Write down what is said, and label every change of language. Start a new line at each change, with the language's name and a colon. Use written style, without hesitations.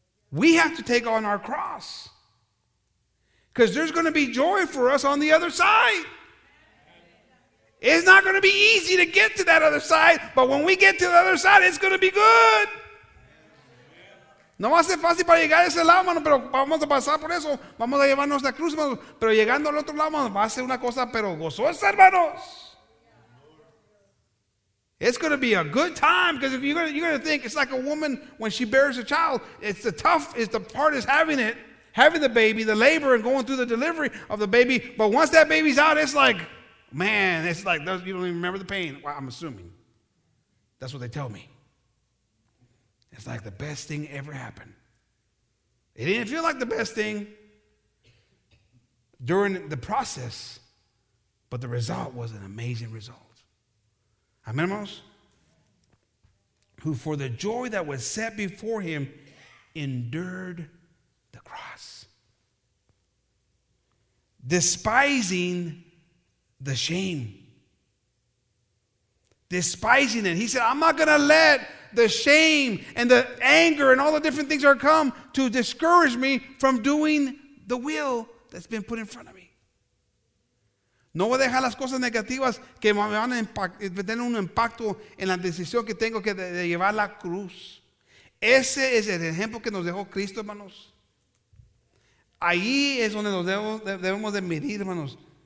English: We have to take on our cross because there's going to be joy for us on the other side. It's not going to be easy to get to that other side, but when we get to the other side, it's going to be good.
Spanish: No va a ser fácil para llegar a ese lado, mano, pero vamos a pasar por eso. Vamos a llevarnos la cruz, mano. Pero llegando al otro lado, mano, va a ser una cosa, pero gozosa, hermanos.
English: It's going to be a good time because if you're going to think it's like a woman when she bears a child. The part is having it, having the baby, the labor and going through the delivery of the baby. But once that baby's out, it's like, man, it's like you don't even remember the pain. Well, I'm assuming. That's what they tell me. It's like the best thing ever happened. It didn't feel like the best thing during the process, but the result was an amazing result. Amen, hermanos? Who for the joy that was set before him endured the cross. Despising the shame. Despising it. He said, I'm not going to let the shame and the anger and all the different things that are come to discourage me from doing the will that's been put in front of me.
Spanish: No voy a dejar las cosas negativas que me van a tener un impacto en la decisión que tengo que de llevar la cruz. Ese es el ejemplo que nos dejó Cristo, hermanos. Ahí es donde nos debemos de medir, hermanos.